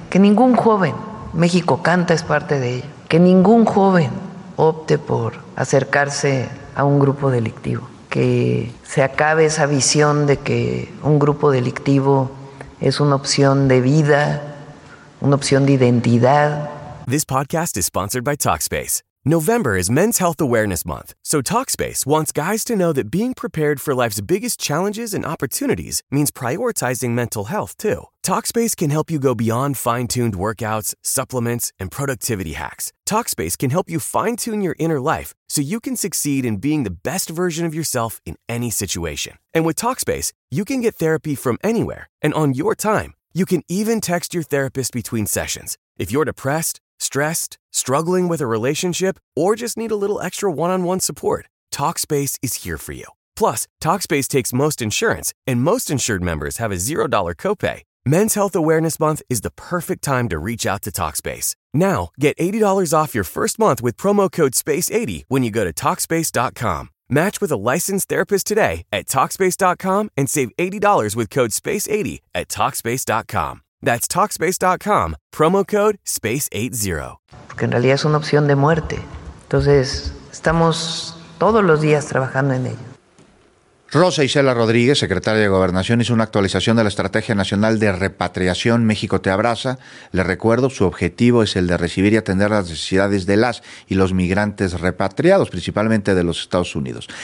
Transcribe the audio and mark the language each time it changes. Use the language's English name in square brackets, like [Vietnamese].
[Spanish] Que ningún joven, México Canta es parte de ello, que ningún joven opte por acercarse a un grupo delictivo, que se acabe esa visión de que un grupo delictivo es una opción de vida, una opción de identidad. [English] This podcast is sponsored by Talkspace. November is Men's Health Awareness Month, so Talkspace wants guys to know that being prepared for life's biggest challenges and opportunities means prioritizing mental health, too. Talkspace can help you go beyond fine-tuned workouts, supplements, and productivity hacks. Talkspace can help you fine-tune your inner life so you can succeed in being the best version of yourself in any situation. And with Talkspace, you can get therapy from anywhere and on your time. You can even text your therapist between sessions. If you're depressed, Stressed? Struggling with a relationship? Or just need a little extra one-on-one support? Talkspace is here for you. Plus, Talkspace takes most insurance, and most insured members have a $0 copay. Men's Health Awareness Month is the perfect time to reach out to Talkspace. Now, get $80 off your first month with promo code SPACE80 when you go to Talkspace.com. Match with a licensed therapist today at Talkspace.com and save $80 with code SPACE80 at Talkspace.com. That's Talkspace.com, promo code SPACE80. [Spanish] Porque en realidad es una opción de muerte. Entonces, estamos todos los días trabajando en ello. Rosa Isela Rodríguez, secretaria de Gobernación, hizo una actualización de la Estrategia Nacional de Repatriación México Te Abraza. Le recuerdo, su objetivo es el de recibir y atender las necesidades de las y los migrantes repatriados, principalmente de los Estados Unidos.